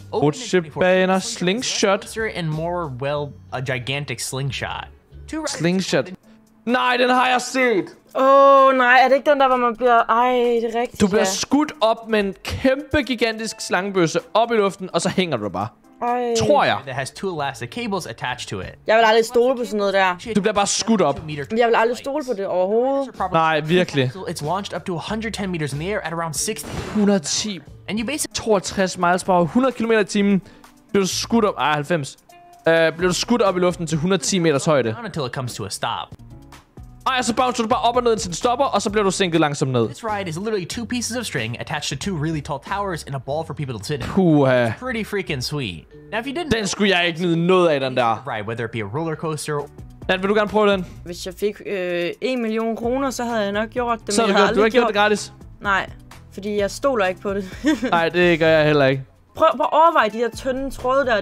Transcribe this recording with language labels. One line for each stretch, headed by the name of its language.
Danish: Rutsjebaner, slingshot.
English: And more, well, a gigantic slingshot.
Danish: Slingshot. Nej, den har jeg set. Åh, nej. Er det ikke den der, hvor man bliver... Ej, det er rigtigt. Du bliver skudt op med en kæmpe, gigantisk slangebøsse op i luften, og så hænger du bare. Ej. Tror jeg.
English: That has two elastic cables attached to it.
Danish: Jeg vil aldrig stole på sådan noget der. Du bliver bare skudt op. Jeg vil aldrig stole på det overhovedet. Nej, virkelig.
English: It's launched up to 110 meters in the air at around
Danish: 60. 110.
English: 62 miles per hour,
Danish: 100 km i timen. Bliver du skudt op? Ej, 90. Bliver du skudt op i luften til 110 meters højde?
English: Until it comes to a stop.
Danish: Ej, så bouncer du bare op og ned, indtil den stopper, og så bliver du sænket langsomt ned.
English: This ride is literally two pieces of string attached to two really tall towers and a ball for people to sit in.
Danish: Puha.
English: Pretty freaking sweet. Now, if you didn't...
Danish: Den skulle jeg ikke nyde noget af, den der.
English: Right, whether it be a roller coaster...
Danish: Dan, vil du gerne prøve den? Hvis jeg fik 1 million kroner, så havde jeg nok gjort det, men jeg havde aldrig gjort det gratis. Nej, fordi jeg stoler ikke på det. Nej, det gør jeg heller ikke. Prøv at overveje de der tynde tråde der.